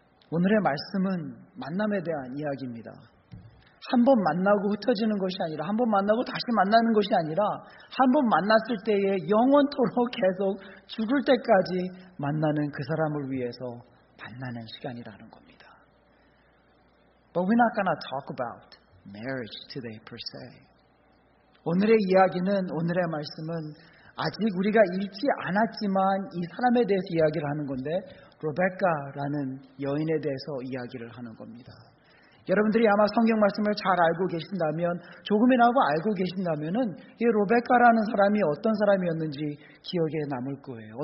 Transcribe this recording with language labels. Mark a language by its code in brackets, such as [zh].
[ko] 오늘의 말씀은 만남에 대한 이야기입니다. 한번 만나고 흩어지는 것이 아니라 한번 만나고 다시 만나는 것이 아니라 한번 만났을 때에 영원토록 계속 죽을 때까지 만나는 그 사람을 위해서 만나는 시간이라는 겁니다. [en] But we're not going to talk about marriage today per se. [ko] 오늘의 이야기는 오늘의 말씀은 아직 우리가 읽지 않았지만 이 사람에 대해서 이야기를 하는 건데 로베카라는 여인에 대해서 이야기를 하는 겁니다. 여러분들이 아마 성경 말씀을 잘 알고 계신다면 조금이라도 알고 계신다면은 이 로베카라는 사람이 어떤 사람이었는지 기억에 남을 거예요.